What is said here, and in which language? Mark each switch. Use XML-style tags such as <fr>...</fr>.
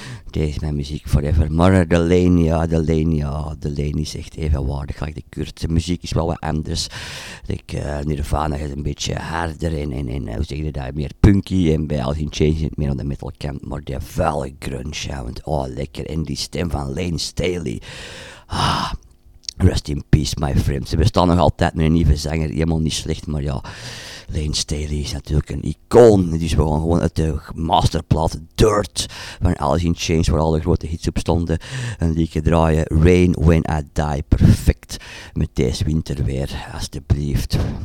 <nl>Deze mijn muziek forever. Maar de Lane, ja, de Lane, ja, de Lane is echt evenwaardig. Like de Kurt, de muziek is wel wat anders. Like, Nirvana is een beetje harder en hoe zeg je dat, meer punky. En bij Alice in Chains is het meer aan de metal kant. Maar de vuile grunge, ja, oh, lekker. En die stem van Lane Staley.</nl> <en>Ah, rest in peace, my friends.</en> <nl>Ze bestaan nog altijd met een nieuwe zanger. Helemaal niet slecht, maar ja. Lane Staley is natuurlijk een icoon. Dus we gaan gewoon uit de masterplaat Dirt van Alice in Chains, waar alle grote hits op stonden, een liedje draaien. Rain When I Die. Perfect. Met deze winter weer, alsjeblieft.</nl>